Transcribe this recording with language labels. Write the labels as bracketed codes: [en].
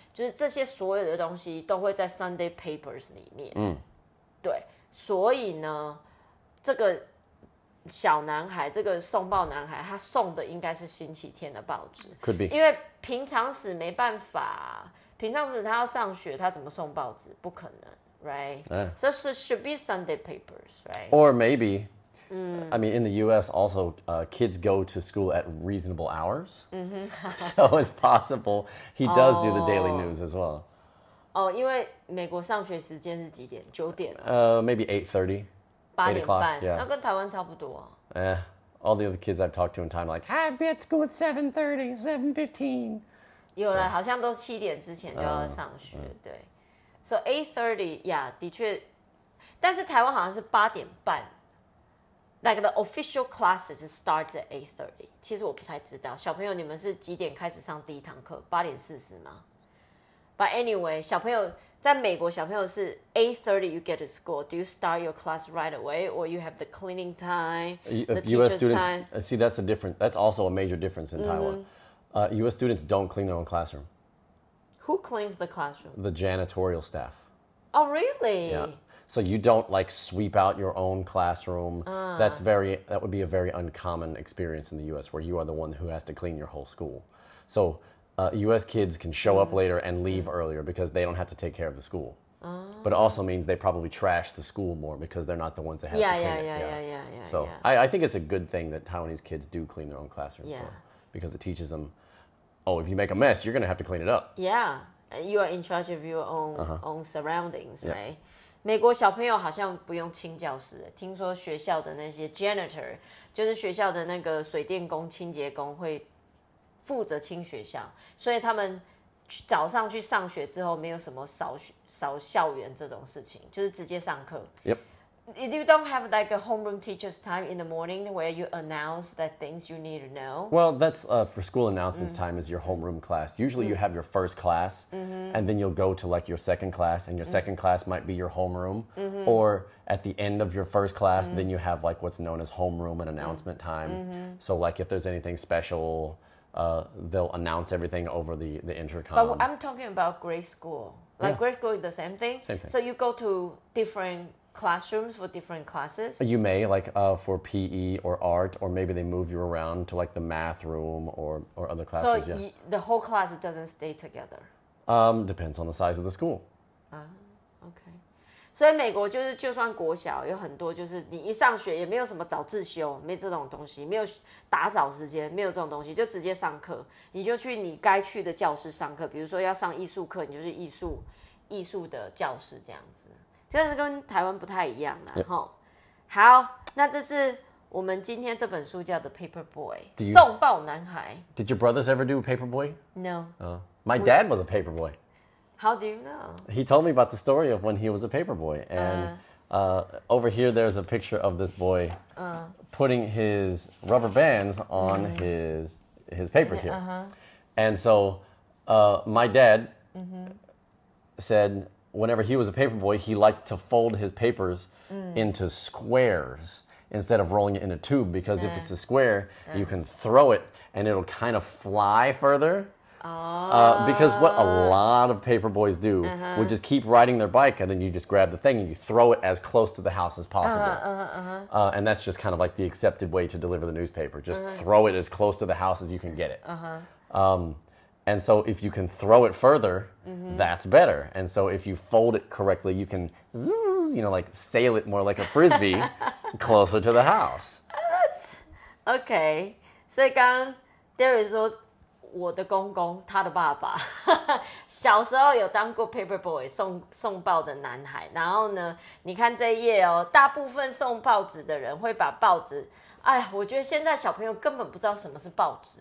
[zh] 就是这些所有的东西都会在 Sunday Papers 里面。对，所以呢，这个。小男孩，这个送报男孩，他送的应该是星期天的报纸。 [en] Could be. [zh] 因为平常时没办法，平常时他要上学，他怎么送报纸？不可能 [en] ，right？ [zh] 这是 [en] should be Sunday papers, right? Or maybe, I mean, in the U.S. also, kids go to school at reasonable hours. So it's possible he does do the daily news as well. [zh] 哦，因为美国上学时间是几点？九点。 [en] Maybe 8:30。 [zh] 8:30, 那跟台湾差不多。 [en] All the other kids I've talked to in time are like, I'd be at school at 7:30, 7:15. [zh] 有了，好像都七点之前就要上学，对。 [en] So 8:30, yeah, [zh] 的确，但是台湾好像是8:30。 [en] Like the official classes starts at 8:30. [zh] 其实我不太知道，小朋友你们是几点开始上第一堂课？8:40吗？ [en] But anyway, [zh] 小朋友在美国小朋友是 [en] 8:30 you get to school. Do you start your class right away or you have the cleaning time, the US students, time? See, that's a different, that's also a major difference in Taiwan. US students don't clean their own classroom. Who cleans the classroom? The janitorial staff. Oh, really? Yeah. So you don't like sweep out your own classroom. That would be a very uncommon experience in the US where you are the one who has to clean your whole school. So US kids can show up later and leave earlier because they don't have to take care of the school. But it also means they probably trash the school more because they're not the ones that have to clean it. So I think it's a good thing that Taiwanese kids do clean their own classrooms. Yeah. Because it teaches them, oh, if you make a mess, you're going to have to clean it up. Yeah, you are in charge of your own, own surroundings, right? Yeah. [zh] 美国小朋友好像不用清教室，听说学校的那些 janitor 就是学校的那个水电工、清洁工会负责清学校，所以他们早上去上学之后没有什么扫校园这种事情，就是直接上课。 [en] Yep. You don't have like a homeroom teacher's time in the morning where you announce that things you need to know. Well, that's for school announcements time is your homeroom class. Usually you have your first class. And then you'll go to like your second class, and your second class might be your homeroom. Or at the end of your first class, then you have like what's known as homeroom and announcement time. So like if there's anything special, they'll announce everything over the intercom. But I'm talking about grade school. Like grade school is the same thing? Same thing. So you go to different classrooms for different classes? You may, like for PE or art, or maybe they move you around to like the math room or other classes. So the whole class doesn't stay together? Depends on the size of the school. Okay. [zh] 所以美国就是就算国小有很多就是你一上学也没有什么早自修，没这种东西，没有打扫时间，没有这种东西，就直接上课，你就去你该去的教室上课，比如说要上艺术课，你就是艺术的教室这样子，这是跟台湾不太一样啦。好，那这是我们今天这本书叫 The Paper Boy, 送报男孩。 [en] Did your brothers ever do Paper Boy? No. My dad was a paper boy. How do you know? He told me about the story of when he was a paper boy. And over here, there's a picture of this boy putting his rubber bands on his papers here. And so my dad said whenever he was a paper boy, he liked to fold his papers into squares instead of rolling it in a tube. Because if it's a square, you can throw it and it'll kind of fly further. Because what a lot of paper boys do would just keep riding their bike, and then you just grab the thing and you throw it as close to the house as possible. And that's just kind of like the accepted way to deliver the newspaper. Just throw it as close to the house as you can get it. And so if you can throw it further, that's better. And so if you fold it correctly, you can, you know, like sail it more like a frisbee closer to the house. Okay. [zh] So, 刚刚 Darius 说我的公公，他的爸爸，小时候有当过 paper boy, 送报的男孩。然后呢，你看这一页哦，大部分送报纸的人会把报纸，哎，我觉得现在小朋友根本不知道什么是报纸。